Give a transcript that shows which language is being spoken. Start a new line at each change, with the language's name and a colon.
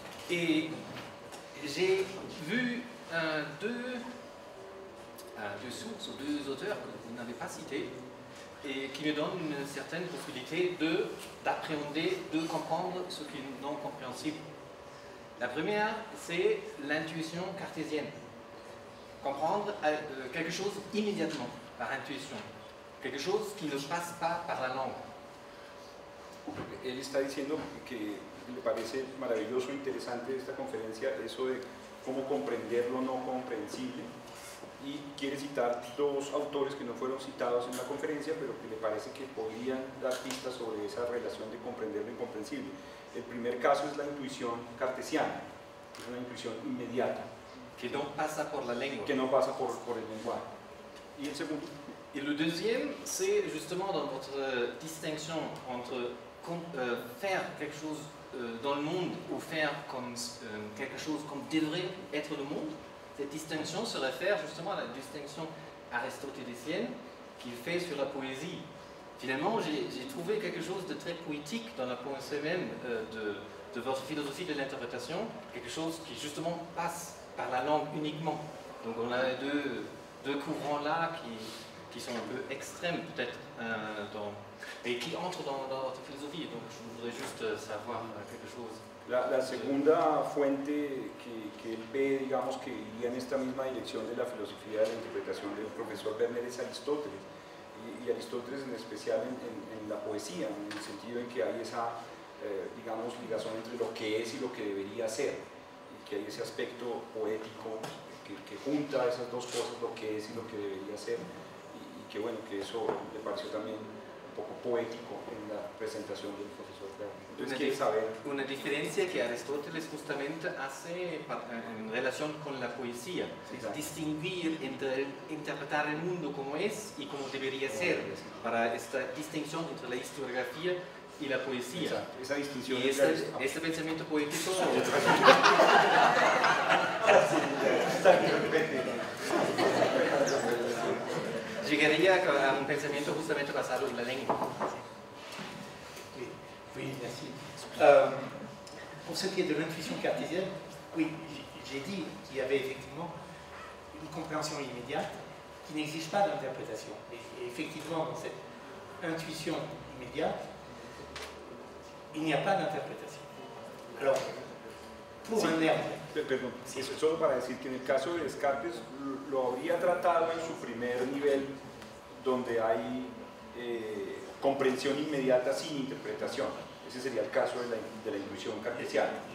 French: Et j'ai vu deux sources, deux auteurs que vous n'avez pas cités, et qui me donnent une certaine possibilité d'appréhender, de comprendre ce qui est non-compréhensible. La première, c'est l'intuition cartésienne. Comprendre quelque chose immédiatement, par intuition. Quelque chose qui ne passe pas par la langue.
Spanish: Elle está diciendo que le parece maravilloso, interesante esta conferencia, eso de cómo comprender lo no comprensible, y quiere citar dos autores que no fueron citados en la conferencia, pero que le parece que podrían dar pistas sobre esa relación de comprender lo incomprensible. El primer caso es la intuición cartesiana, es una intuición inmediata. Que no pasa por la lengua. Que no pasa por el lenguaje. Y el segundo. Y el
French: deuxième, c'est justement dans votre distinction entre faire quelque chose dans le monde ou faire comme quelque chose comme devrait être le monde, cette distinction se réfère justement à la distinction aristotélicienne qu'il fait sur la poésie. Finalement, j'ai trouvé quelque chose de très poétique dans la poésie même de votre philosophie de l'interprétation, quelque chose qui justement passe par la langue uniquement. Donc on a deux courants là qui sont un peu extrêmes peut-être, mais qui entrent dans votre philosophie, donc je voudrais juste savoir quelque chose.
Spanish: La segunda fuente que él ve, digamos, que iría en esta misma dirección de la filosofía de la interpretación del profesor Werner es Aristóteles. Y Aristóteles en especial en la poesía, en el sentido en que hay esa, digamos, ligación entre lo que es y lo que debería ser. Y que hay ese aspecto poético que junta esas dos cosas, lo que es y lo que debería ser. Y que bueno, que eso le pareció también un poco poético en la presentación del profesor Werner. Una diferencia que Aristóteles justamente hace en relación con la poesía, es distinguir entre interpretar el mundo como es y como debería ser, para esta distinción entre la historiografía y la poesía. Esa distinción. Y este pensamiento poético. Llegaría a un pensamiento justamente basado en la lengua.
French: Oui, merci. Pour ce qui est de l'intuition cartésienne, oui, j'ai dit qu'il y avait effectivement une compréhension immédiate qui n'exige pas d'interprétation. Et effectivement, dans cette intuition immédiate, il n'y a pas d'interprétation. Alors, pour un nerve.
Spanish: Perdón,
French: c'est
Spanish: solo para decir que en el caso de Descartes, lo habría tratado en su primer nivel, donde hay comprensión inmediata sin interpretación. Ese sería el caso de la intuición cartesiana.